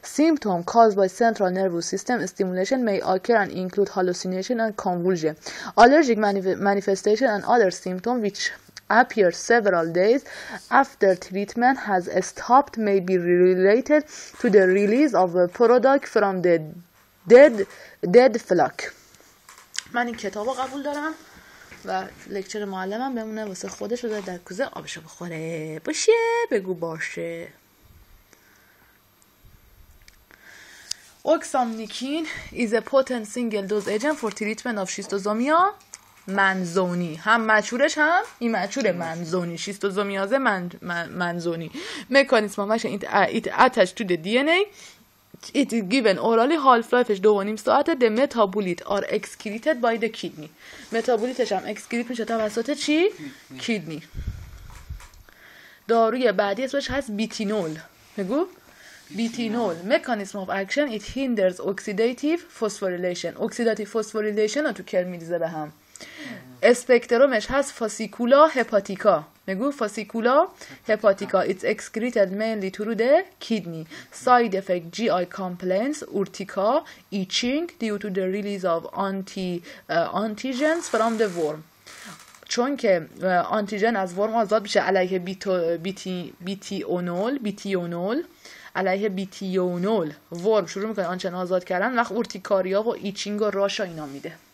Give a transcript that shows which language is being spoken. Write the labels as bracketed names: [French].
[English] Symptoms caused by central nervous system stimulation may occur and include hallucination and convulsion. Allergic manifestation and other symptoms which appear several days after treatment has stopped may be related to the release of a product from the dead flock. [Persian] من این کتاب رو قبول دارم و لکچر معلمم بمونه واسه خودش و در کوزه آبشو بخوره. باشه، بگو باشه. [English] Oxamniquine is a potent single dose agent for treatment of schistosoma mansoni. [Persian] هم مچورش هم این مچور منزونی. شیستوزومیازه منزونی. مکانیسم همشه [English] it attach to the DNA. It is given orally, half-life 2.5 hours. The metabolites are excreted by the kidney. [Persian] Metabolites هم excrete میشه توسط چی؟ [English] Kidney. [Persian] داروی بعدی اسمش هست بیتینول. [English] بگو؟ Bithionol. Mechanism of action, it hinders oxidative phosphorylation. Oxidative phosphorylation رو تو کل میریزه به هم. اسپکترومش هست فاسیکولا هپاتیکا. بگو fasciola hepatica. It's excreted mainly through the kidney. Side effect GI complaints, urtica, itching due to the release of antigens from the worm. [Persian] چون که آنتیجن از ورم آزاد میشه علیه بیتیونول علیه بیتیونول ورم شروع میکنه آنچن آزاد کردن، وقت اورتیکاریا و ایچینگ و راشا اینا میده.